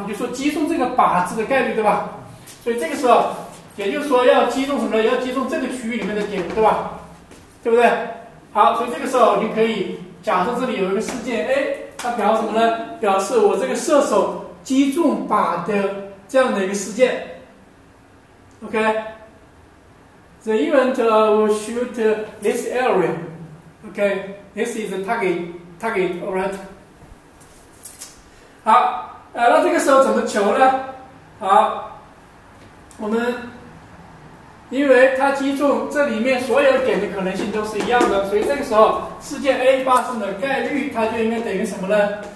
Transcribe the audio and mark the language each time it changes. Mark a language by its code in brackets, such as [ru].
[zh] 也就是说击中这个靶子的概率，对吧？所以这个时候也就是说要击中什么呢？要击中这个区域里面的点，对吧？对不对？好，所以这个时候你可以假设这里有一个事件 A， 它表示什么呢？表示我这个射手击中靶的这样的一个事件。 [en] OK，The event will shoot this area. Okay, this is the target. All right. [zh] 好，那这个时候怎么求呢？好，我们因为它击中这里面所有点的可能性都是一样的，所以这个时候事件 A 发生的概率它就应该等于什么呢？